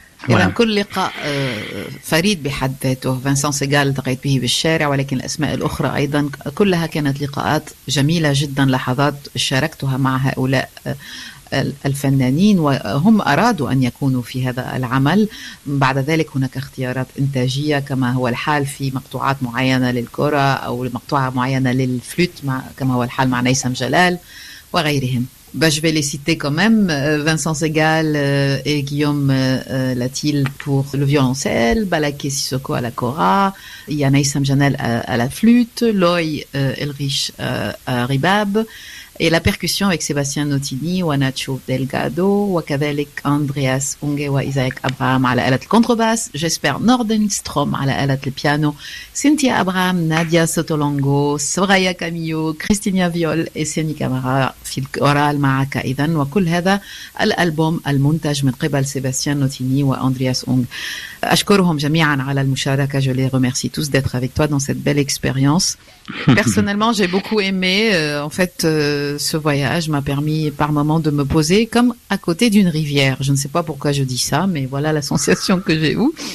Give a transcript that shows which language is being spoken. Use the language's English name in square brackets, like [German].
[Arabic] إذا كل لقاء فريد بحد ذاته. فينسون سيغال التقيت به بالشارع، ولكن الأسماء الأخرى أيضا كلها كانت لقاءات جميلة جدا، لحظات شاركتها مع هؤلاء الفنانين وهم أرادوا أن يكونوا في هذا العمل. بعد ذلك هناك اختيارات إنتاجية كما هو الحال في مقطوعات معينة للكرة أو مقطوعة معينة للفلوت كما هو الحال مع نيسم جلال وغيرهم. [French] Bah, je vais les citer quand même, Vincent Segal et Guillaume Latil pour le violoncelle, Balaké Sissoko à la kora, Yanaï Samjanel à la flûte, Loy Elrich à ribab, et la percussion avec Sébastien Notini, Wanacho Delgado, Wakadelik Andreas Ungewa Isaac Abraham à la alat contrebasse, Jesper Nordenstrom à la alat piano, Cynthia Abraham, Nadia Sotolongo, Soraya Camillo, Christina Viol et Sienny Camara [Arabic] fil kora معك إذن. وكل هذا الألبوم المنتج من قبل سيباستيان نوتيني وأندرياس أونغ. أشكرهم جميعا على المشاركة. [French] Je les remercie tous d'être avec toi dans cette belle expérience. Personnellement, j'ai beaucoup aimé. En fait, ce voyage m'a permis par moments de me poser comme à côté d'une rivière. Je ne sais pas pourquoi je dis ça, mais voilà la sensation que j'ai eue.